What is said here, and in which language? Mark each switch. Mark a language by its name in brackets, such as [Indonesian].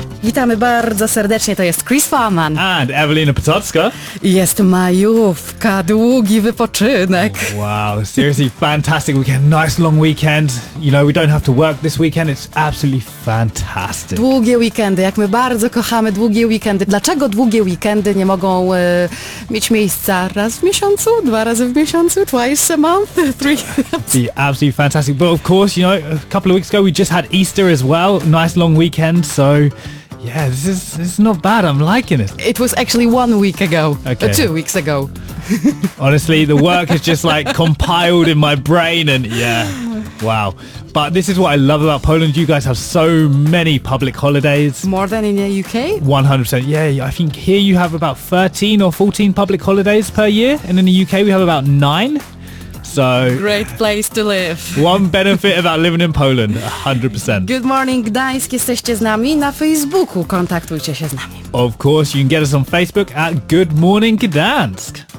[Polish] Witamy bardzo serdecznie, to jest Chris Farman. [English] And Evelina Potocka. [Polish] Jest majówka, długi wypoczynek. [English] Wow, seriously fantastic weekend, nice long weekend. You know, we don't have to work this weekend, it's absolutely fantastic. [Polish] Długie weekendy, jak my bardzo kochamy długie weekendy. Dlaczego długie weekendy nie mogą mieć miejsca raz w miesiącu, dwa razy w miesiącu, [English] twice a month, three times? Absolutely fantastic, but of course, you know, a couple of weeks ago we just had Easter as well, nice long weekend, so... Yeah, this is not bad. I'm liking it. It was actually 1 week ago. Okay. 2 weeks ago. Honestly, the work is just like compiled in my brain and yeah, wow. But this is what I love about Poland. You guys have so many public holidays. More than in the UK? 100%. Yeah, I think here you have about 13 or 14 public holidays per year. And in the UK, we have about 9. So, great place to live. One benefit about living in Poland, 100%. [Polish] Good morning, Gdańsk, jesteście z nami na Facebooku, kontaktujcie się z nami. [English] Of course, you can get us on Facebook at Good Morning Gdańsk.